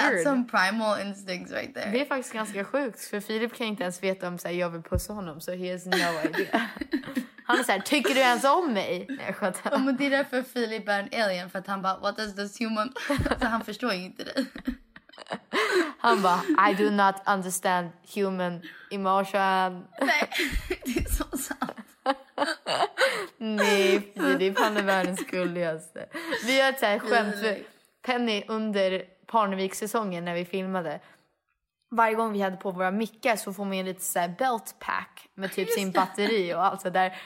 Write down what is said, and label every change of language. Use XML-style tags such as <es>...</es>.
<en>That's some primal instincts right there.</en> <sv>Det är faktiskt ganska sjukt. För Filip kan inte ens veta om så här, jag vill pussa honom. Så</sv> <en>he has no idea.</en> <sv>Han är så här, tycker du ens om mig? Nej, ja, men det är därför Filip är en alien. För att han bara,</sv> <en>what is this human?</en> <sv>Så han förstår ju inte det. Han bara,</sv> <en>I do not understand human emotion.</en> <sv>Nej, det är så sant. Nej, det är fan världens gulligaste. Vi har ett såhär skämt för Penny under Parnevik-säsongen när vi filmade. Varje gång vi hade på våra mickar så får man en lite så här belt pack med typ sin batteri och allt så där.</sv>